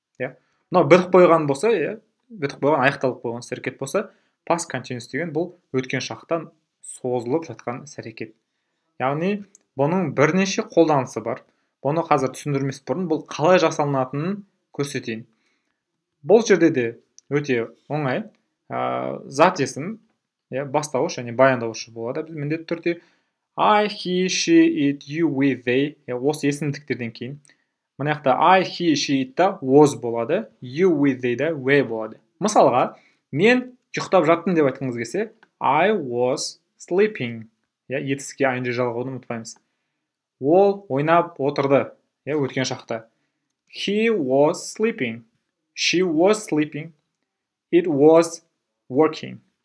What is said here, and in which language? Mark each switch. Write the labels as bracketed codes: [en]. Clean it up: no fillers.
[kk] Бітіп болған аяқталып болған іс-әрекет болса, past continuous деген бұл өткен шақтан созылып жатқан іс-әрекет. Яғни, бұның бірнеше қолданысы бар. Бұны қазір түсіндірмес бұрын, бұл қалай жасалынатынын көрсетейін. Бұл жерде де өте оңай. Зат есім, бастауыш және баяндаушы болады. Біз міндетті түрде I, he, she, it, you, we, they. Осы есімдіктерден кейін. Мына жақта I, he, she, it та was болады. You, we, they да we болады. Мысалға, мен ұйықтап жаттым деп айтқыңыз келсе, [en] I was sleeping. [kk] Етіске айынды жалғауды ұмытпаймыз. Ол ойнап отырды. Өткен шақта. [en] He was sleeping. She was sleeping. It was working.